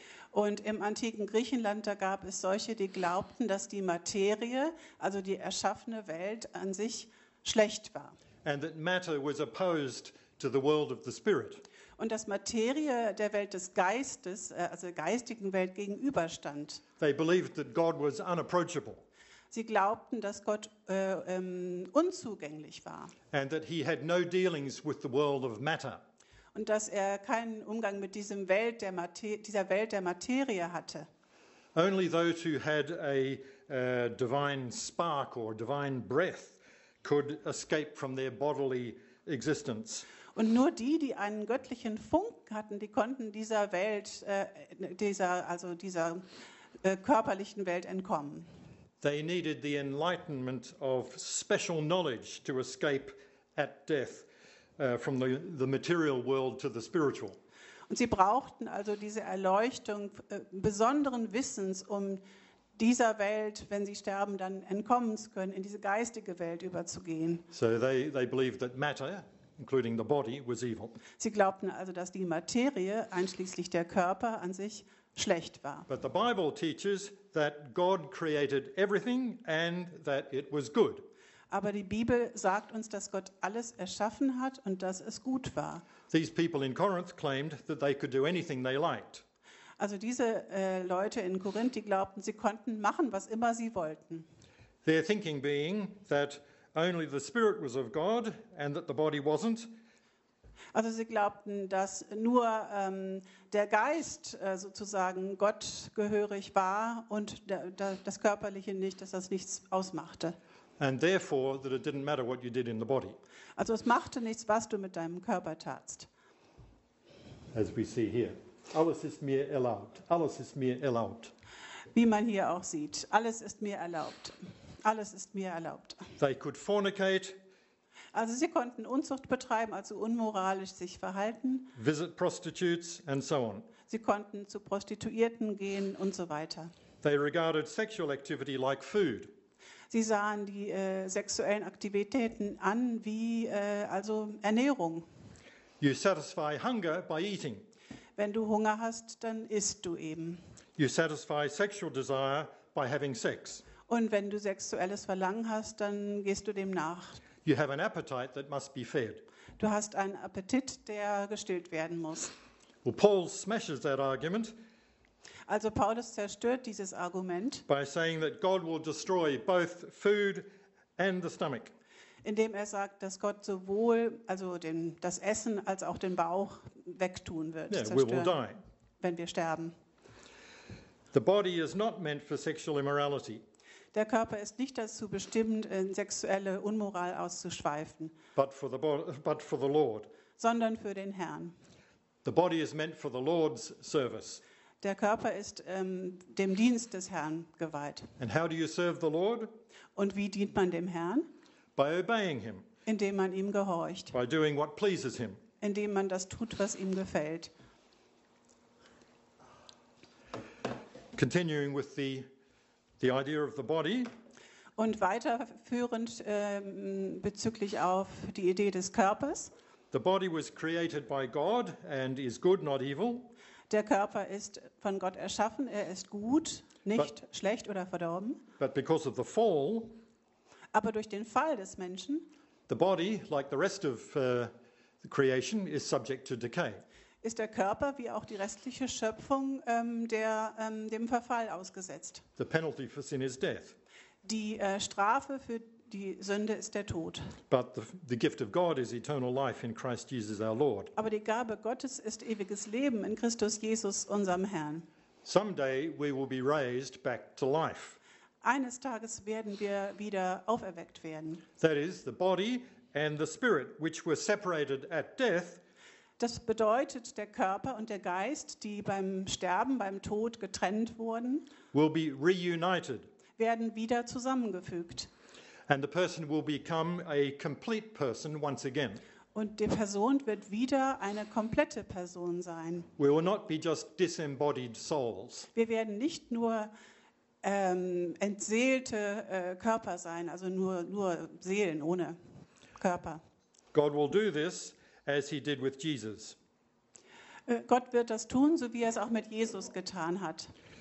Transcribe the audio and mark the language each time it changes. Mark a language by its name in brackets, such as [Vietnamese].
[German] Und im antiken Griechenland, da gab es solche, die glaubten, dass die Materie, also die erschaffene Welt an sich, schlecht war. [English] And that matter was opposed to the world of the spirit. [German] Und dass Materie der Welt des Geistes, also der geistigen Welt, gegenüberstand. [English] They believed that God was unapproachable. [German] Sie glaubten, dass Gott unzugänglich war. [English] And that he had no dealings with the world of matter. [German] Und dass er keinen Umgang mit diesem Welt der dieser Welt der Materie hatte. [English] Only those who had a divine spark or divine breath could escape from their bodily existence. [German] Und nur die, die einen göttlichen Funken hatten, die konnten dieser Welt, dieser körperlichen Welt entkommen. [English] They needed the enlightenment of special knowledge to escape at death. From the material world to the spiritual. [German] Und sie brauchten also diese Erleuchtung besonderen Wissens, um dieser Welt, wenn sie sterben, dann entkommen zu können, in diese geistige Welt überzugehen. [English] So they believed that matter, including the body, was evil. [German] Sie glaubten also, dass die Materie, einschließlich der Körper an sich, schlecht war. [English] But the Bible teaches that God created everything and that it was good. [German] Aber die Bibel sagt uns, dass Gott alles erschaffen hat und dass es gut war. [English] These people in Corinth claimed that they could do anything they liked. [German] Also diese Leute in Korinth, die glaubten, sie konnten machen, was immer sie wollten. [English] Their thinking being that only the spirit was of God and that the body wasn't. [German] Also sie glaubten, dass nur der Geist sozusagen gottgehörig war und das Körperliche nicht, dass das nichts ausmachte. [English] And therefore, that it didn't matter what you did in the body. [German] Also, es machte nichts, was du mit deinem Körper tatst. [English] As we see here, [German] alles ist mir erlaubt. Alles ist mir erlaubt. Wie man hier auch sieht, alles ist mir erlaubt. Alles ist mir erlaubt. [English] They could fornicate. [German] Also, sie konnten Unzucht betreiben, also unmoralisch sich verhalten. [English] Visit prostitutes and so on. [German] Sie konnten zu Prostituierten gehen und so weiter. [English] They regarded sexual activity like food. [German] Sie sahen die sexuellen Aktivitäten an wie also Ernährung. [English] You satisfy hunger by eating. [German] Wenn du Hunger hast, dann isst du eben. [English] You satisfy sexual desire by having sex. [German] Und wenn du sexuelles Verlangen hast, dann gehst du dem nach. [English] You have an appetite that must be fed. [German] Du hast einen Appetit, der gestillt werden muss. [English] Well, Paul smashes that argument. [German] Also Paulus zerstört dieses Argument, [English] by saying that God will destroy both food and the stomach, [German] indem er sagt, dass Gott sowohl also das Essen als auch den Bauch wegtun wird, [English] yeah, [German] zerstören, [English] we will die. [German] Wenn wir sterben. [English] The body is not meant for sexual immorality. [German] Der Körper ist nicht dazu bestimmt, in sexuelle Unmoral auszuschweifen, [English] but for the Lord. [German] Sondern für den Herrn. [English] The body is meant for the Lord's service. [German] Der Körper ist dem Dienst des Herrn geweiht. [English] And how do you serve the Lord? [German] Und wie dient man dem Herrn? [English] By obeying him. [German] Indem man ihm gehorcht. [English] By doing what pleases him. [German] Indem man das tut, was ihm gefällt. [English] Continuing with the idea of the body. [German] Und weiterführend bezüglich auf die Idee des Körpers. [English] The body was created by God and is good, not evil. [German] Der Körper ist von Gott erschaffen, er ist gut, nicht schlecht oder verdorben. [English] But because of the fall, [German] aber durch den Fall des Menschen, [English] the body, like the rest of the creation, is subject to decay. [German] Ist der Körper wie auch die restliche Schöpfung dem Verfall ausgesetzt. [English] The penalty for sin is death. [German] Die Strafe für die Sünde ist der Tod. [English] But the gift of God is eternal life in Christ Jesus our Lord. [German] Aber die Gabe Gottes ist ewiges Leben in Christus Jesus unserem Herrn. [English] Someday we will be raised back to life. [German] Eines Tages werden wir wieder auferweckt werden. [English] That is the body and the spirit which were separated at death. [German] Das bedeutet, der Körper und der Geist, die beim Sterben, beim Tod getrennt wurden, [English] will be reunited. [German] Werden wieder zusammengefügt. [English] And the person will become a complete person once again. [German] Und die Person wird wieder eine komplette Person sein. [English] We will not be just disembodied souls. [German] Wir werden nicht nur entseelte Körper sein, also nur Seelen ohne Körper. [English] God will do this as he did with Jesus. [German] Gott wird das tun, so wie er es auch mit Jesus getan hat.